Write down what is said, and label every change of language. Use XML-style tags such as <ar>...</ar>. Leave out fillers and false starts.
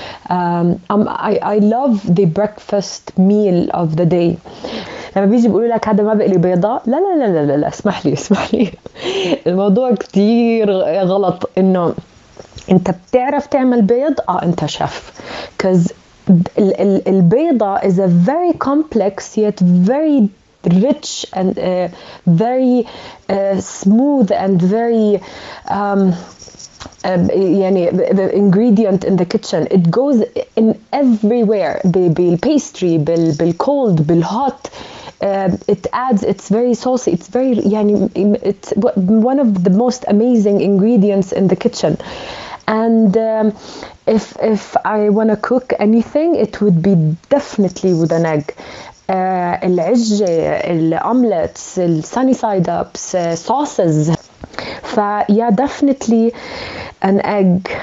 <en>I love the breakfast meal of the day.</en> <ar>لما بيجي بيقولوا لك هذا ما بقلي بيضة، لا لا لا لا لا اسمح لي اسمح لي. الموضوع كتير غلط انه انت بتعرف تعمل بيض، انت شيف.</ar> <en>البيضة is a very complex yet very rich and very smooth and very يعني ingredient in the kitchen. It goes in everywhere.</en> <ar>بالpastry، بالcold، بالhot.</ar> <en>It adds. It's very saucy. It's very يعني it's one of the most amazing ingredients in the kitchen. And if I want to cook anything, it would be definitely with an egg. العجة، الأومليتس، الساني side ups, sauces, فا يا definitely an egg.</en>